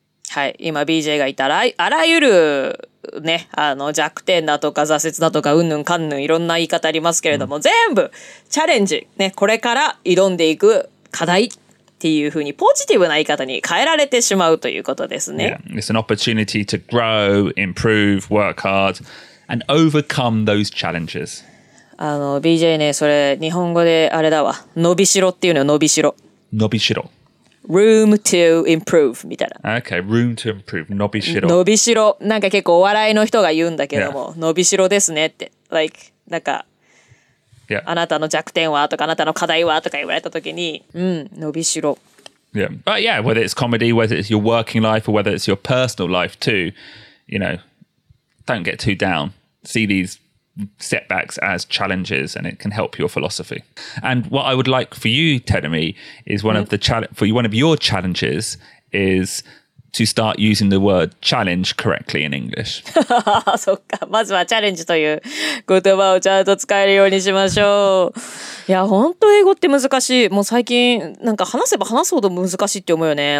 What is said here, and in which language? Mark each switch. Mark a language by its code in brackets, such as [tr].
[ja] はい、今 BJ が言ったら、あらゆるね、あの弱点だとか挫折だとかうんぬんかんぬんいろんな言い方ありますけれども、mm. 全部チャレンジ、ね、これから挑んでいく課題っていう風にポジティブな言い方に変えられてしまうということですね。 [en] Yeah. It's an opportunity to grow, improve, work hard, and overcome those challenges. [ja] あの BJ ね、それ日本語であれだわ。伸びしろっていうのは伸びしろ。伸びしろ。 [en] Room to improve [ja] みたいな。 [en] Okay, room to improve. 伸びしろ。 [ja] 伸びしろ。なんか結構お笑いの人が言うんだけども、yeah. 伸びしろですねって。 [en] Like, [ja] なんか。 [en] Yeah. [ja] あなたの弱点はとかあなたの課題はとか言われたときに、うん、伸びしろ。 [en] Yeah, but yeah, whether it's comedy, whether it's your working life, or whether it's your personal life too, you know, don't get too down. See these setbacks as challenges, and it can help your philosophy. And what I would like for you, Terumi, is one of the one of your challenges is to start using the word challenge correctly in English. [ja] そっか、まずはチャレンジという言葉をちゃんと使えるようにしましょう。いや、本当英語って難しい。もう最近なんか話せば話すほど難しいって思うよね。